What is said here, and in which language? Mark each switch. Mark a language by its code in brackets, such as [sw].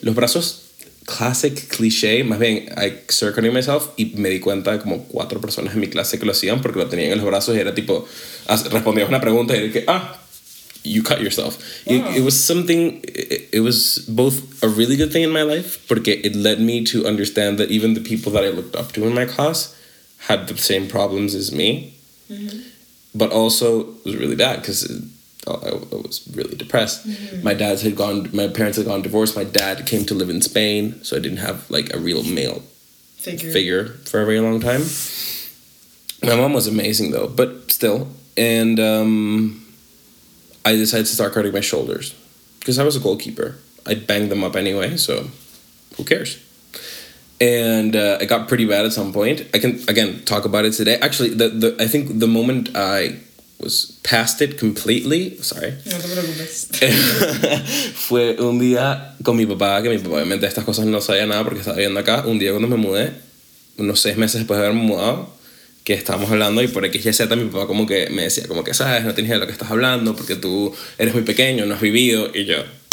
[es] Los brazos, [en] classic cliché, [es] más bien, [en] I circled myself [es] y me di cuenta de como cuatro personas en mi clase que lo hacían porque lo tenían en los brazos y era tipo, respondías una pregunta y era que, ah, [en] you cut yourself. Wow. It was something, it was both a really good thing in my life [es] porque [en] it led me to understand that even the people that I looked up to in my class had the same problems as me. Mm-hmm. But also, it was really bad because I was really depressed. Mm-hmm. My parents had gone divorced. My dad came to live in Spain, so I didn't have like a real male figure for a very long time. My mom was amazing though, but still. And I decided to start cutting my shoulders because I was a goalkeeper. I banged them up anyway, so who cares? And it got pretty bad at some point. I can, again, talk about it today. Actually, I think the moment I was past it completely... Sorry. [es] No te preocupes. Fue un día con mi papá, que mi papá obviamente estas cosas no sabía nada porque estaba viviendo acá. Un día cuando me mudé, unos seis meses después de haberme mudado, que estábamos hablando y por XYZ mi papá como que me decía, como que sabes, no tienes idea de lo que estás hablando porque tú eres muy pequeño, no has vivido. Y yo...